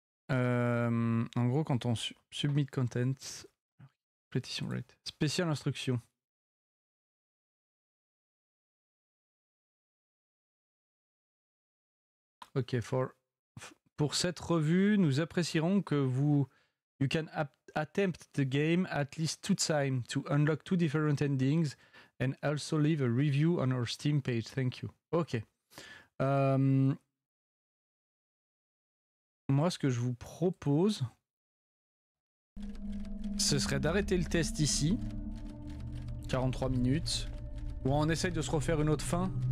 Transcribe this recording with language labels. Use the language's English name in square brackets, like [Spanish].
[French] En gros, quand on [English] submit content, petition rate, [French] spécial instruction. Ok, pour cette revue, nous apprécierons que vous... [English] You can attempt the game at least two times to unlock two different endings and also leave a review on our Steam page. Thank you. Ok. [French] Moi, ce que je vous propose, ce serait d'arrêter le test ici. 43 minutes. Ou on essaye de se refaire une autre fin.